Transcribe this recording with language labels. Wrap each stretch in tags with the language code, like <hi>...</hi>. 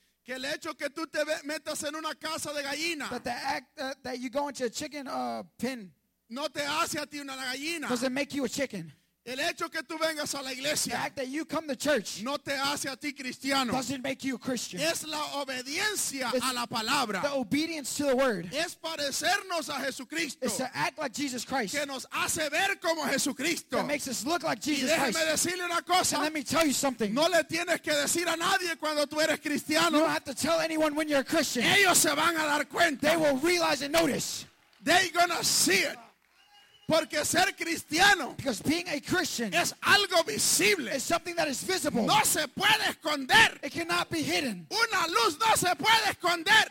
<es>Que el hecho que tú te metas en una casa de gallina.</es> <en>But the act that you go into a chicken pen.</en> <es>No te hace a ti una gallina.</es> <en>Does it make you a chicken?</en> <es>El hecho que tú vengas a la iglesia.</es> <en>The act that you come to church.</en> <es>No te hace a ti cristiano.</es> <en>Does it make you a Christian?</en> <es>Es la obediencia a la palabra.</es> <en>The obedience to the word.</en> <es>Es parecernos a Jesucristo.</es> <en>It's to act like Jesus Christ.</en> <es>Que nos hace ver como Jesucristo.</es> <en>That makes us look like Jesus Christ.</en> <es>Y déjeme decirle una cosa.</es> <en>And let me tell you something.</en> <es>No le tienes que decir a nadie cuando tú eres cristiano.</es> <en>You don't have to tell anyone when you're a Christian.</en> <es>Ellos se van a dar cuenta.</es> <en>They will realize and notice. They're gonna see it.</en> <es>Porque ser cristiano,</es> <en>because being a Christian,</en> <es>es algo visible.</es> <en>Is something that is visible.</en> <es>No se puede esconder.</es> <en>It cannot be hidden.</en> <es>Una luz no se puede esconder.</es>